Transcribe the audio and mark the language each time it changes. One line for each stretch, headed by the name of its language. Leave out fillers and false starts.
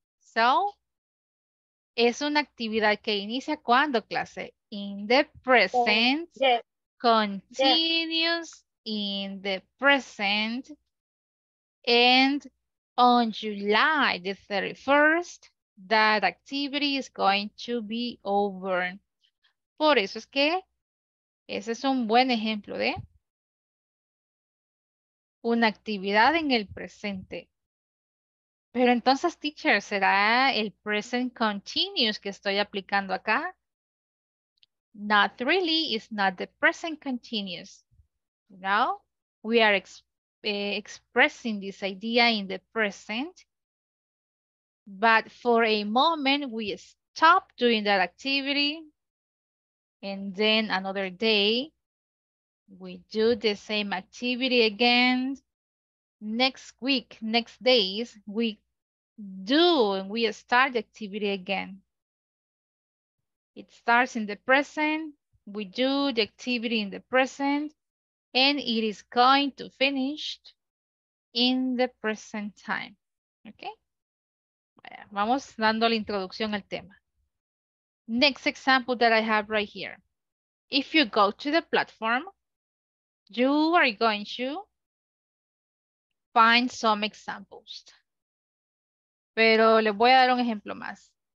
Spanish: So, es una actividad que inicia cuando, clase?
English: In the present, continues in the present, and on July the 31st, that activity is going to be over.
Spanish: Por eso es que ese es un buen ejemplo de una actividad en el presente. Pero entonces, teacher, ¿será el present continuous que estoy aplicando acá?
English: Not really, it's not the present continuous. Now, we are expressing this idea in the present. But for a moment, we stop doing that activity. And then another day, we do the same activity again. Next week, next days, we do and we start the activity again. It starts in the present. We do the activity in the present. And it is going to finish in the present time. Okay?
Spanish: Vamos dando la introducción al tema.
English: Next example that I have right here. If you go to the platform, you are going to find some examples.
Spanish: Pero les voy a dar un ejemplo más.